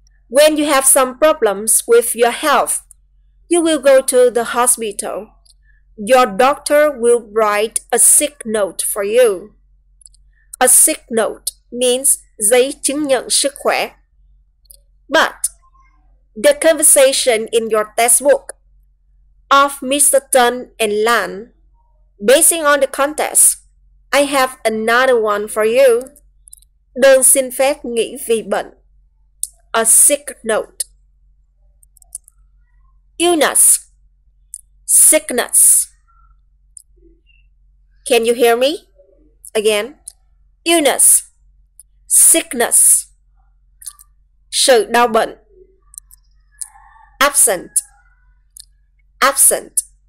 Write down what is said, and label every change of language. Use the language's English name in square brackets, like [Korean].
[English] When you have some problems with your health, you will go to the hospital. Your doctor will write a sick note for you. A sick note means [Vietnamese] giấy chứng nhận sức khỏe. [English] But the conversation in your textbook of Mr. Tan and Lan, basing on the contest, I have another one for you. [Vietnamese] Đơn xin phép nghỉ vì bệnh. [English] A sick note. Illness. Sickness. Can you hear me? Again. Illness. Sickness. [Vietnamese] Sự đau bệnh. [English] Absent. Absent.